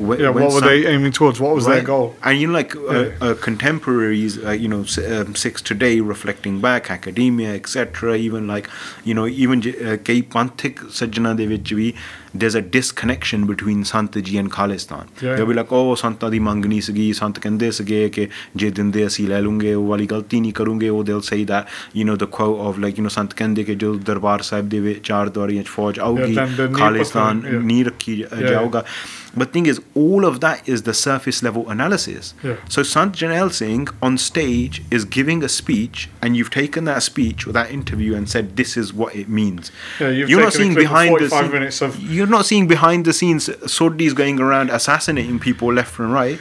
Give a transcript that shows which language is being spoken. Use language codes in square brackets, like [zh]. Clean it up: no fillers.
[en] what were they aiming towards? What was right? Their goal? And, you know, like, contemporaries, you know, Sikhs today reflecting back, academia, etc., even, like, you know, even [pa] kai panthik sajjana de vich vi, [en] there's a disconnection between Santaji and Khalistan. Yeah. They'll be like, oh, [pa] ਸੰਤਾਂ ਦੀ ਮੰਗਣੀ ਸਗੀ, ਸੰਤਾਂ ਕਹਿੰਦੇ ਸਗੀ, ਕੇ ਜੇ ਦਿੰਦੇ ਅਸੀਂ ਲੈ ਲੂੰਗੇ, ਓ ਵਾਲੀ ਗਲਤੀ ਨੀ ਕਰੂੰਗੇ. [en] Oh, they'll say that, you know, [pa] the quote of, like, you know, ਸੰਤਾਂ ਕਹਿੰਦੇ ਕੇ ਜੋ ਦਰਬਾਰ ਸਾਹਿਬ ਦੇ ਚਾਰ ਦੁਆਰੀ ਚ ਫੌਜ ਆਊਗੀ, ਖਾਲਿਸਤਾਨ ਨੀ ਰੱਖੀ ਜਾਊਗਾ. [en] But thing is, all of that is the surface level analysis. Yeah. So Sant Janel Singh on stage is giving a speech, and you've taken that speech or that interview and said, this is what it means. You're not seeing behind the scenes Sordi's going around assassinating people left and right.